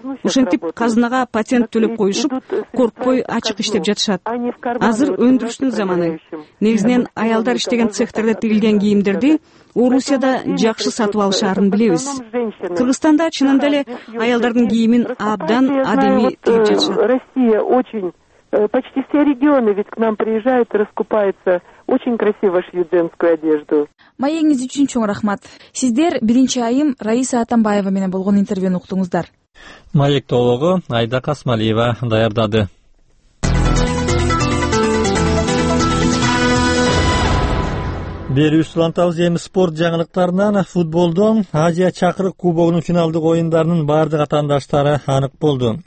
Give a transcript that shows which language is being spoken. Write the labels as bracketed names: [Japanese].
[Kyrgyz] Ошентип казынага патент төлөп коюшуп, корккой ачык иштеп жатышат. Азыр өндүрүштүн заманы. Негизинен аялдар иштеген цехтерде тигилген кийимдерди Орусияда жакшы сатып алышаарын билебиз. Кыргызстанда чынында эле аялдардын кийимин абдан адеми тигип жатышат. [Russian] Россия очень почти все регионы ведь к нам приезжают и раскупаются. Очень красиво шьют женскую одежду. [Kyrgyz] Маегиңиз үчүн чоң рахмат. Сиздер биринчи айым Раиса Атамбаева менен болгон интервьюну уктуңуздар. Маек толугу Айда Касмалиева даярдады. Берүүбүз улантабыз эми спорт жаңылыктарынан. Футболдон Азия чакырык кубогунун финалдык оюндарынын баардык атаандаштары анык болду.